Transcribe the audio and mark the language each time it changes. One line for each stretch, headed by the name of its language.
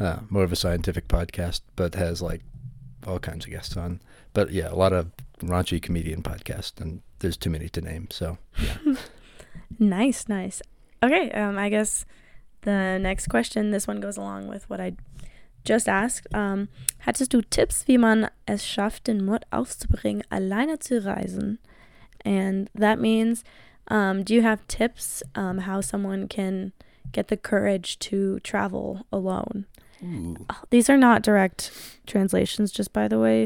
English: More of a scientific podcast, but has, like, all kinds of guests on. But, yeah, a lot of raunchy comedian podcasts, and there's too many to name, so, yeah. Nice, nice. Okay, I guess the next question, this one goes along with what I just asked.
German: Hattest du Tipps, wie man es schafft, den Mut aufzubringen, alleine zu reisen?
English: And that means, do you have tips how someone can... get the courage to travel alone. Ooh. These are not direct translations, just by the way.